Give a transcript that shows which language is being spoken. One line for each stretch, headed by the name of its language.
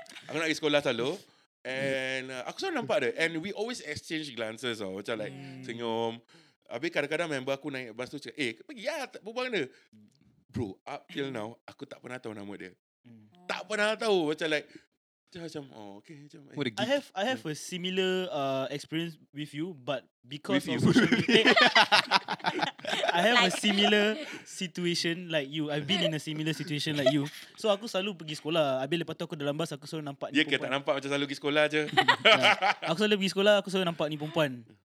Malay: Aku nak pergi sekolah selalu. And aku selalu nampak dia.
English: And we always exchange glances.
Malay: Macam like senyum. Habis kadang-kadang member aku naik bas tu cakap, eh, pergi lah, berbual dengan dia. Bro,
English: up till now,
Malay: aku tak pernah tahu nama dia. Tak pernah tahu, macam like, macam, oh, okay. Macam, eh.
English: I have a similar experience with you, but because with of you. Social media, I have like a similar situation like you. I've been in a similar situation like you.
Malay: So, aku selalu pergi sekolah. Habis lepas tu aku dalam bas, aku selalu nampak ni perempuan. Ya, tak nampak macam selalu pergi sekolah je. Aku selalu pergi sekolah, aku selalu nampak ni perempuan.